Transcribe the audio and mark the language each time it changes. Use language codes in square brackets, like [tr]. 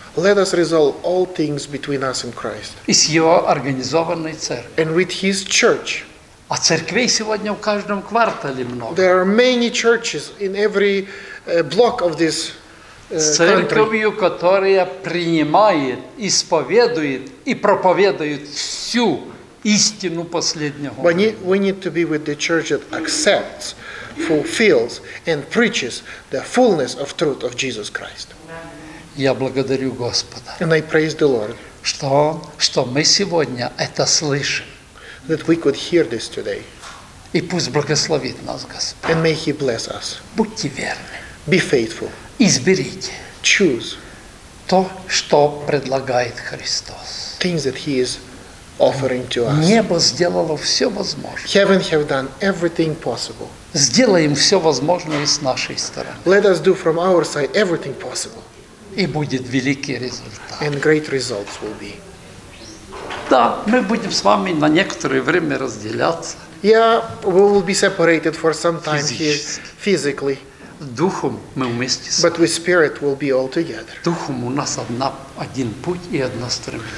[en] Let us resolve all things between us and Christ. [ru] И с Его организованной церковью. [en] And with His church. [ru] А церквей сегодня в каждом квартале много. [en] There are many churches in every block of this country. [ru] Церковью, которая принимает, исповедует и проповедует всю истину последнего. [en] We need to be with the church that accepts, fulfills, and preaches the fullness of truth of Jesus Christ. [ru] Я благодарю Господа. [en] And I praise the Lord. [ru] Что мы сегодня это слышим. [en] That we could hear this today. [ru] И пусть благословит нас Господь. [en] And may He bless us. [ru] Будьте верны. [en] Be faithful. [ru] Изберите. [en] Choose. [ru] То, что предлагает Христос. [en] Things that He is offering to us. [ru] Небо сделало все возможное. [en] Heaven have done everything possible. [ru] Сделаем все возможное с нашей стороны. [en] Let us do from our side everything possible. [ru] И будет великий результат. [en] And great results will be. [ru] Да, мы будем с вами на некоторое время разделяться. [en] Yeah, we will be separated for some time here, physically. [ru] Духом мы вместе. [en] But with spirit we'll be all together. [ru] Духом у нас один путь и одна стремление.